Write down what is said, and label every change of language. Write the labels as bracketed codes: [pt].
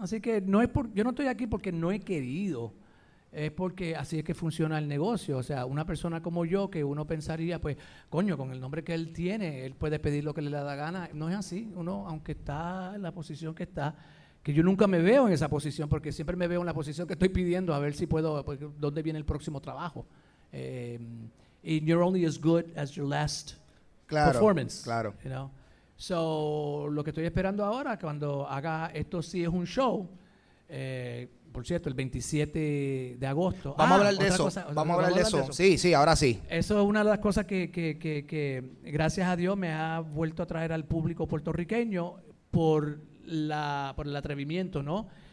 [es] Así que no es yo no estoy aquí porque no he querido, es porque así es que funciona el negocio. O sea, una persona como yo, que uno pensaría, pues, coño, con el nombre que él tiene, él puede pedir lo que le da la gana. No es así. Uno, aunque está en la posición que está, que yo nunca me veo en esa posición, porque siempre me veo en la posición que estoy pidiendo, a ver si puedo, pues, dónde viene el próximo trabajo. [en] And you're only as good as your last performance. [es] Claro. [en] You know? [es] So, lo que estoy esperando ahora, cuando haga esto, sí es un show, por cierto, el 27 de agosto. Vamos a hablar de eso. Vamos a hablar de eso. Sí, sí, ahora sí. Eso es una de las cosas que gracias a Dios me ha vuelto a traer al público puertorriqueño por el atrevimiento, ¿no?